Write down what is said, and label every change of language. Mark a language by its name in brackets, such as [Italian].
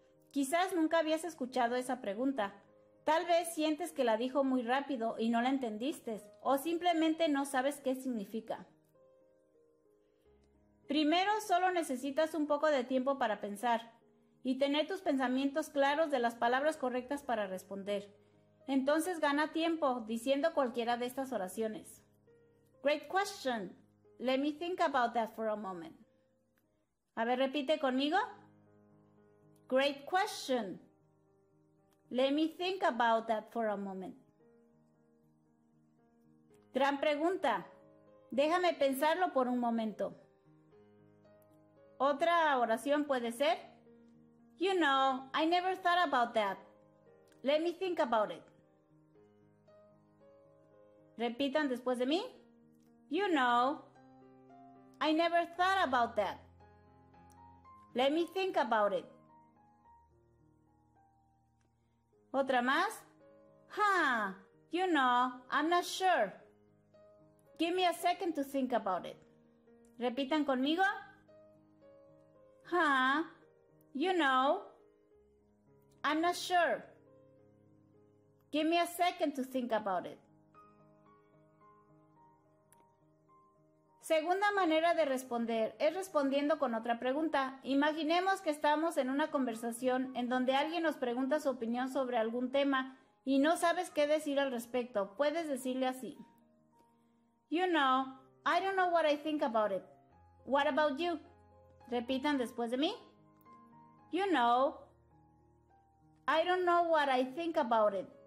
[Spanish] Quizás nunca habías escuchado esa pregunta. Tal vez sientes que la dijo muy rápido y no la entendiste, o simplemente no sabes qué significa. Primero, solo necesitas un poco de tiempo para pensar y tener tus pensamientos claros de las palabras correctas para responder. Entonces gana tiempo diciendo cualquiera de estas oraciones. [English] Great question. Let me think about that for a moment. [Spanish] A ver, repite conmigo. [English] Great question. Let me think about that for a moment. [Spanish] Gran pregunta. Déjame pensarlo por un momento. Otra oración puede ser. [English] You know, I never thought about that. Let me think about it. [Spanish] Repitan después de mí. [English] You know, I never thought about that. Let me think about it. [Spanish] Otra más. [English] Huh, you know, I'm not sure. Give me a second to think about it. [Spanish] Repitan conmigo. [English] Huh, you know, I'm not sure. Give me a second to think about it. [Spanish] Segunda manera de responder es respondiendo con otra pregunta. Imaginemos que estamos en una conversación en donde alguien nos pregunta su opinión sobre algún tema y no sabes qué decir al respecto. Puedes decirle así. [English] You know, I don't know what I think about it. What about you? [Spanish] Repitan después de mí. [English] You know, I don't know what I think about it.